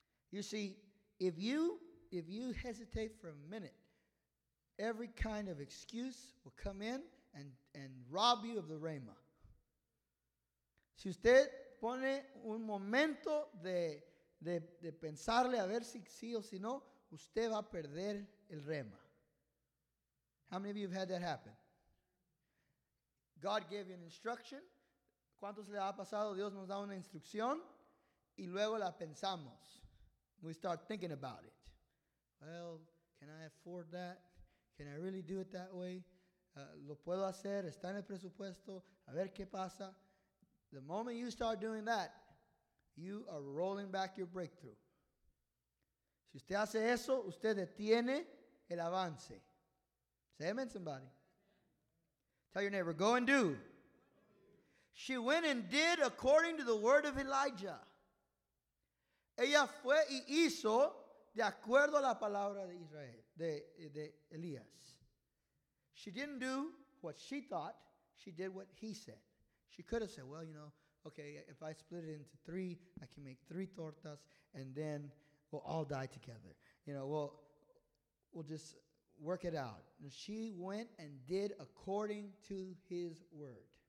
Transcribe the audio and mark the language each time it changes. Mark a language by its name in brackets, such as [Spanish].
[English] You see, If you hesitate for a minute, every kind of excuse will come in and rob you of the rhema. [Spanish] Si usted pone un momento de pensarle a ver si sí o si no, usted va a perder el rhema. [English] How many of you have had that happen? God gave you an instruction. [Spanish] ¿Cuántos le ha pasado? Dios nos da una instrucción y luego la pensamos. [English] We start thinking about it. Well, can I afford that? Can I really do it that way? [Spanish] Lo puedo hacer, está en el presupuesto, a ver qué pasa. [English] The moment you start doing that, you are rolling back your breakthrough. [Spanish] Si usted hace eso, usted detiene el avance. [English] Say amen, somebody. Tell your neighbor, go and do. She went and did according to the word of Elijah. [Spanish] Ella fue y hizo de acuerdo a la palabra de Israel, de Elías. [English] She didn't do what she thought. She did what he said. She could have said, well, you know, okay, if I split it into three, I can make three tortas, and then we'll all die together. You know, we'll just work it out. And she went and did according to his word.